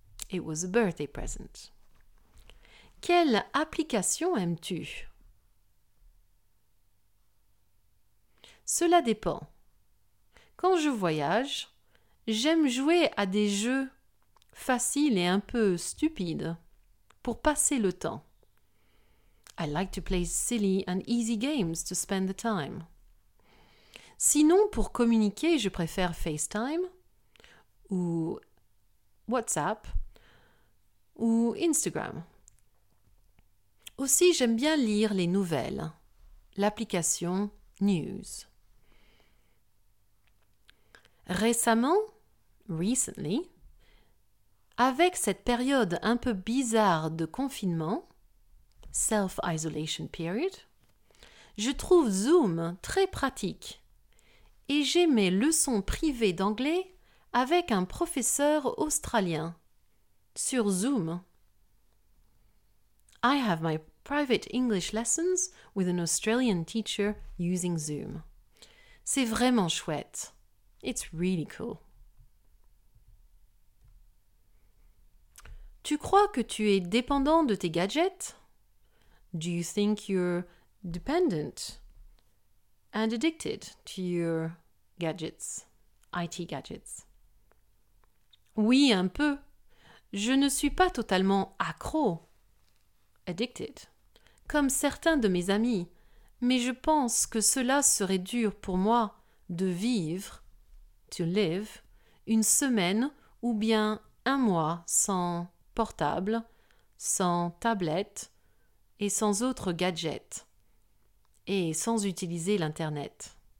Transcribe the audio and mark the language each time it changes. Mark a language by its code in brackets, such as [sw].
[en] It was a birthday present. [fr] Quelle application aimes-tu? Cela dépend. Quand je voyage, j'aime jouer à des jeux faciles et un peu stupides pour passer le temps. [en] I like to play silly and easy games to spend the time. [fr] Sinon, pour communiquer, je préfère FaceTime ou WhatsApp ou Instagram. Aussi, j'aime bien lire les nouvelles, l'application News. Récemment, recently, avec cette période un peu bizarre de confinement, [en] self-isolation period, [fr] je trouve Zoom très pratique et j'ai mes leçons privées d'anglais avec un professeur australien sur Zoom. [en] I have my private English lessons with an Australian teacher using Zoom. [fr] C'est vraiment chouette. [en] It's really cool. [fr] Tu crois que tu es dépendant de tes gadgets? [en] Do you think you're dependent and addicted to your gadgets, IT gadgets? [fr] Oui, un peu. Je ne suis pas totalement accro, addicted, comme certains de mes amis, mais je pense que cela serait dur pour moi de vivre, to live, une semaine ou bien un mois sans portable, sans tablette et sans autre gadget et sans utiliser l'internet.